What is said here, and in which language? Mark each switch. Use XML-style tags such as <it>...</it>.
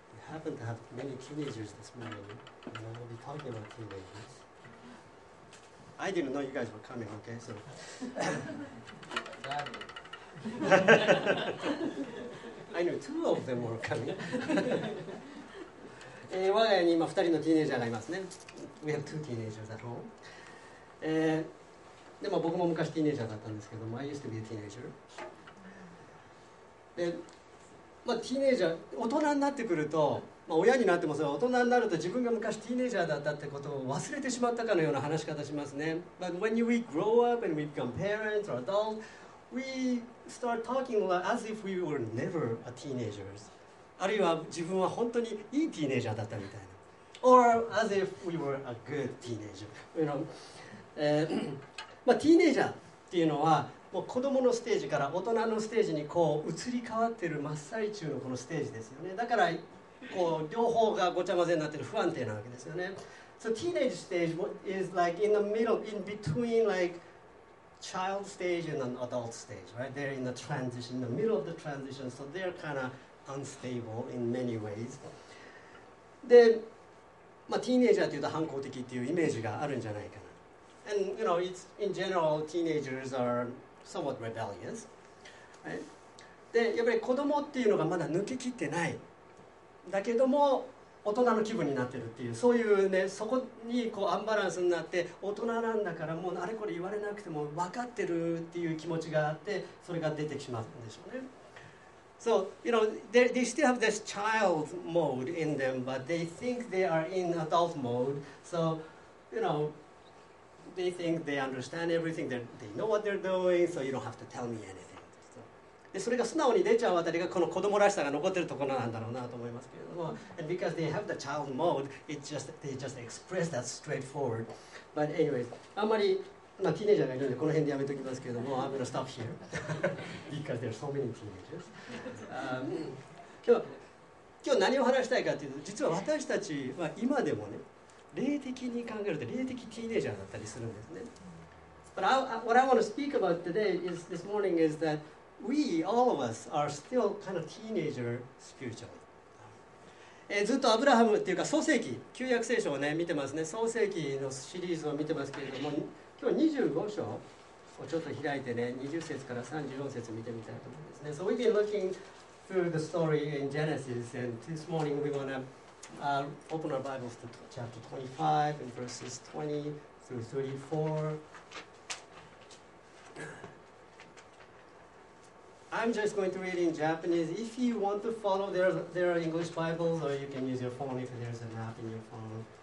<en>happen to have many teenagers this morning, and I will be talking about teenagers. I didn't know you guys were coming, okay, so. I knew two of them were coming.</en> <ja>我が家に今2人のティーネイジャーがいますね。</ja> <en>We have two teenagers at home.</en> <ja>でも僕も昔ティーネイジャーだったんですけども、</ja> <en>I used to be a teenager.</en> <ja>で、まあ、ティーネイジャー、大人になってくると、まあ、親になってもそう、大人になると自分が昔ティーネイジャーだったってことを忘れてしまったかのような話し方しますね。</ja> <en>But when we grow up and we become parents or adults, we start talking as if we were never a teenagers.</en> <ja>あるいは自分は本当にいいティーネイジャーだったみたいな。</ja> <en>Or as if we were a good teenager. You know,、</en> <ja>まあ、ティーネイジャーっていうのはもう子供のステージから大人のステージにこう移り変わってる真っ最中のこのステージですよね。だからこう両方がごちゃ混ぜになってる不安定なわけですよね。</ja> <en>So teenage stage is like in the middle, in between like child stage and an adult stage, right? They're in the transition, in the middle of the transition, so they're kind ofUnstable in many ways.</en> <ja>で、まあ、ティーネイジャーというと反抗的っていうイメージがあるんじゃないかな。</ja> <en>And you know, it's in general, teenagers are somewhat rebellious.、Right?</en> <ja>で、やっぱり子供っていうのがまだ抜け切ってない。だけども、大人の気分になってるっていう、そういうね、そこにこうアンバランスになって、大人なんだからもうあれこれ言われなくても分かってるっていう気持ちがあって、それが出てしまうんでしょうね。</ja> <en>So, you know, they still have this child mode in them, but they think they are in adult mode. So, you know, they think they understand everything. They know what they're doing, so you don't have to tell me anything.</en> <ja>So, で、それが素直に出ちゃうあたりがこの子供らしさが残ってるところなんだろうなと思いますけれども。</ja> <en>And because they have the child mode, they just express that straightforward. But anyways,</en> <ja>あんまり、まあ、ティーネージャーがいるのでこの辺でやめておきますけれども、</ja> <en>I'm gonna stop here because there are so many teenagers.</en> <ja>今日何を話したいかというと、実は私たちは今でもね、霊的に考えると霊的ティーネージャーだったりするんですね。</ja> <en>But what I want to speak about today is this morning is that we all of us are still kind of teenager spiritual.</en> <ja>ずっとアブラハムっていうか創世記、旧約聖書をね見てますね。創世記のシリーズを見てますけれども。今日25章をちょっと開いてね、20節から34節見てみたいと思いますね。</ja> <en>So we've been looking through the story in Genesis, and this morning we want to open our Bibles to chapter 25 and verses 20 through 34. I'm just going to read in Japanese. If you want to follow, there are English Bibles, or you can use your phone if there's an app in your phone.</en>